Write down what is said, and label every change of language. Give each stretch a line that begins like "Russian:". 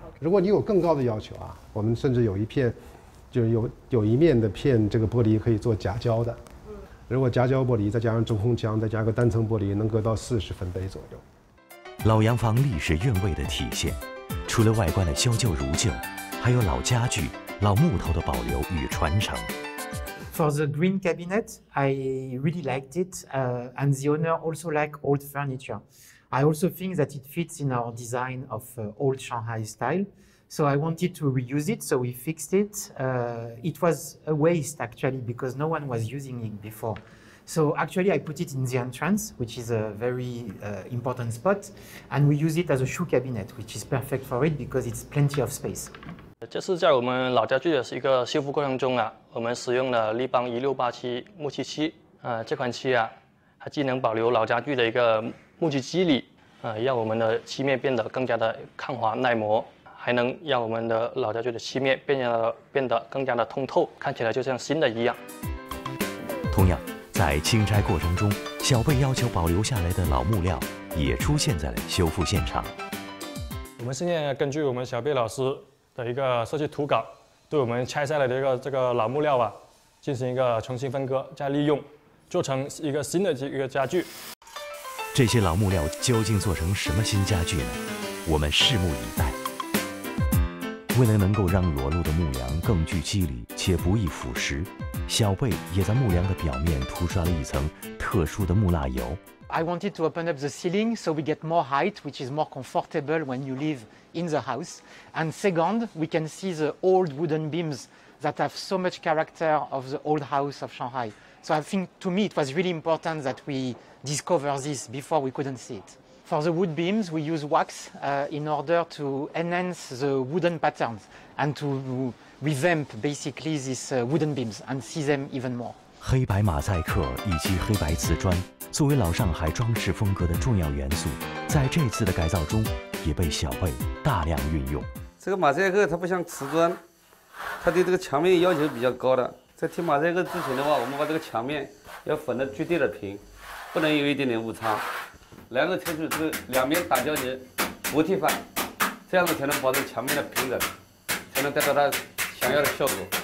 Chinese: 如果你有更高的要求啊，我们甚至有一片，就是有一面的片，这个玻璃可以做夹胶的。如果夹胶玻璃再加上中空腔，再加个单层玻璃，能隔到40分贝左右。老洋房历史韵味的体现，除了外观的修旧如旧，还有老家具、老木头的保留与传承。
English: For the green cabinet, I really liked it, and the owner also liked old furniture. I also think that it fits in our design of old Shanghai style, so I wanted to reuse it, so we fixed it. It was a waste, actually, because no one was using it before. So actually, I put it in the entrance, which is a very important spot, and we use it as a shoe cabinet, which is perfect for it because it's plenty of space.
Chinese: 这是在我们老家具的一个修复过程中啊，我们使用了立邦1687木漆漆，这款漆啊，它既能保留老家具的一个木漆肌理，让我们的漆面变得更加的抗滑耐磨，还能让我们的老家具的漆面变得更加的通透，看起来就像新的一样。同样，在清拆过程中，小贝要求保留下来的老木料也出现在了修复现场。我们现在根据我们小贝老师的一个设计图稿，对我们拆下来的这个老木料啊，进行一个重新分割加利用，做成一个新的一个家具。这些老木料究竟做成什么新家具呢？我们拭目以待。为了能够让裸露的木梁更具肌理且不易腐蚀，小贝也在木梁的表面涂刷了一层特殊的木蜡油。
English: I wanted to open up the ceiling so we get more height, which is more comfortable when you live in the house. And second, we can see the old wooden beams that have so much character of the old house of Shanghai. So I think to me, it was really important that we discover this before we couldn't see it. For the wood beams, we use wax in order to enhance the wooden patterns and to revamp basically these wooden beams and see them even more.
Chinese: 黑白马赛克以及黑白瓷砖作为老上海装饰风格的重要元素，在这次的改造中也被小贝大量运用。这个马赛克它不像瓷砖，它对这个墙面要求比较高的。在贴马赛克之前的话，我们把这个墙面要粉得绝对的平，不能有一点点误差，然后贴出这个两面打胶结不剃翻，这样子才能保证墙面的平整，才能得到它想要的效果。